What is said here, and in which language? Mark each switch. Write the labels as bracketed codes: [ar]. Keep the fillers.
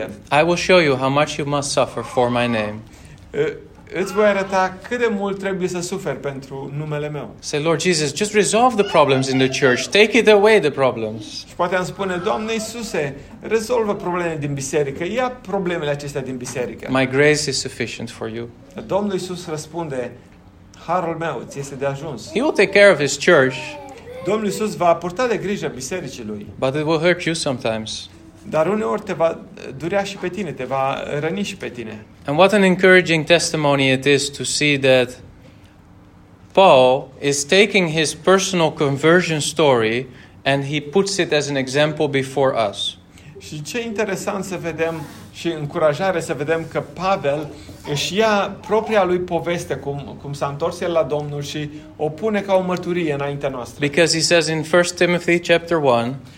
[en] I will show you how much you must suffer for my name. [ro] îți voi arăta cât de mult trebuie să sufer pentru numele meu. [en] Say, Lord Jesus, just resolve the problems in the church. Take it away the problems. [ro] Și poate am spune, Doamne Iisuse, rezolvă problemele din biserică. Ia problemele acestea din biserică. [en] My grace is sufficient for you. [ro] Domnul Iisus răspunde, Harul meu ți este de ajuns. [en] He will take care of his church. [ro] Domnul Iisus va purta de grijă bisericii lui. [en] But it will hurt you sometimes. [ro] Dar uneori te va durea și pe tine, te va răni și pe tine. [en] And what an encouraging testimony it is to see that Paul is taking his personal conversion story and he puts it as an example before us. [ro] Și ce interesant să vedem și încurajare să vedem că Pavel își ia propria lui poveste cum, cum s-a întors el la Domnul și o pune ca o mărturie înaintea noastră. [en] Because he says in 1 Timothy chapter 1